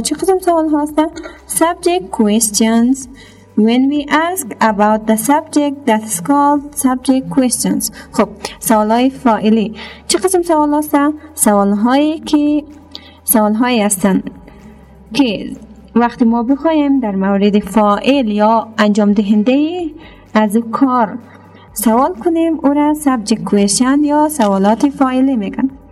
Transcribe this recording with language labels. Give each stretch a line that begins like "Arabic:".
Persian: چه قسم سوال ها است؟
English: Subject questions. When we ask about the subject, that is called subject questions.
Persian: خب، سوال های فایلی. چه قسم سوال است؟ سوال هایی هستن که وقتی ما بخوایم در مورد فاعل یا انجام دهنده از کار سوال کنیم، او را subject question یا سوالات فاعلی میگن.